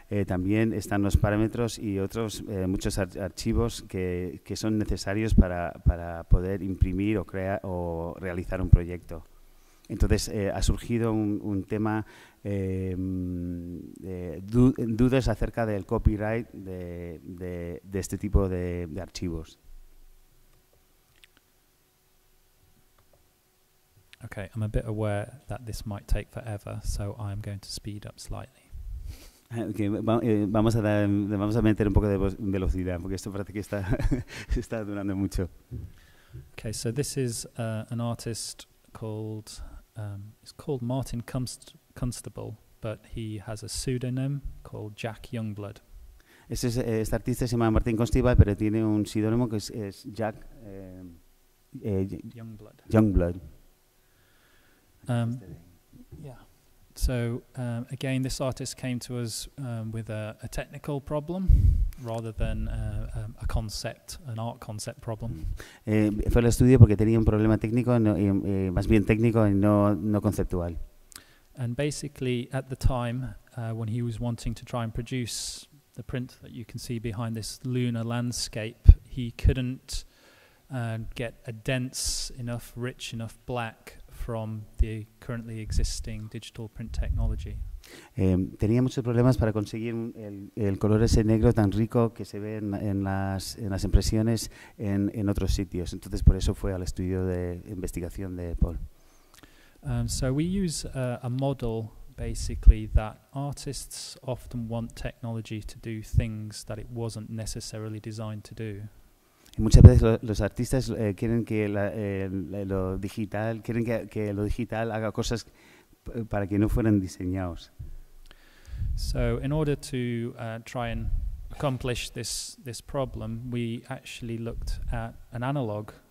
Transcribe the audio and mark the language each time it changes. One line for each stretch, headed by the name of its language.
Spanish: También están los parámetros y otros muchos archivos que son necesarios para poder imprimir o crear o realizar un proyecto. Entonces, ha surgido un tema dudas acerca del copyright de este tipo de archivos.
English: Okay, I'm a bit aware that this might take forever, so I'm going to speed up slightly.
Spanish: Okay, vamos a meter un poco de velocidad, porque esto parece que está durando mucho.
English: Okay, so this is an artist called, it's called Martin Constable, but he has a pseudonym called Jack Youngblood.
Spanish: Este artista se llama Martin Constable, pero tiene un pseudónimo que es Jack Youngblood.
English: Youngblood. So again, this artist came to us with a technical problem rather than a concept, an art concept problem.
Spanish: Fue al estudio porque tenía un problema técnico, más bien técnico y no conceptual.
English: And basically, at the time when he was wanting to try and produce the print that you can see behind this lunar landscape, he couldn't get a dense enough, rich enough black from the currently existing digital print technology.
Spanish: Tenía muchos problemas para conseguir el color ese negro tan rico que se ve en las impresiones en otros sitios. Entonces, por eso fue al estudio de investigación de Paul.
English: So we use a model, basically, that artists often want technology to do things that it wasn't necessarily designed to do.
Spanish: Muchas veces los artistas quieren que lo digital haga cosas para que no fueran diseñados.
English: So in order to try and accomplish this problem, we actually looked at an analog